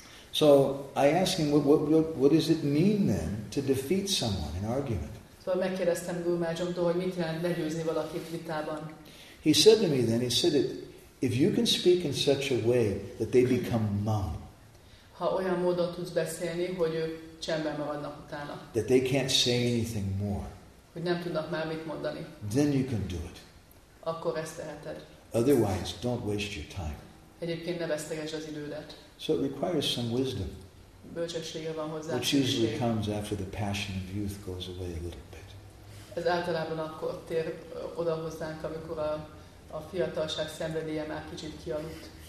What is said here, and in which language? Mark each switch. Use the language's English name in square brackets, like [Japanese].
[English] So I ask him, what does it mean then to defeat someone in argument? [Hungarian] So megkérdeztem Gurmácsomtól, hogy mit jelent legyőzni valakit vitában. [English] He said to me then, he said, if you can speak in such a way that they become mum. [Hungarian] Ha olyan módon tudsz beszélni, hogy ők csendben maradnak utána. [English] That they can't say anything more. [Hungarian] Hogy nem tudnak már mit mondani. [English] Then you can do it. [Hungarian] Akkor ezt teheted. [English] Otherwise, don't waste your time. [Hungarian] Egyébként ne vesztegesd az idődet. [English] So it requires some wisdom. [Hungarian] Bölcsessége van hozzá. [English] Which usually comes after the passion of youth goes away a little bit. [Hungarian] Ez általában akkor tér oda hozzánk, amikor a fiatalság szenvedélye már kicsit kialudt.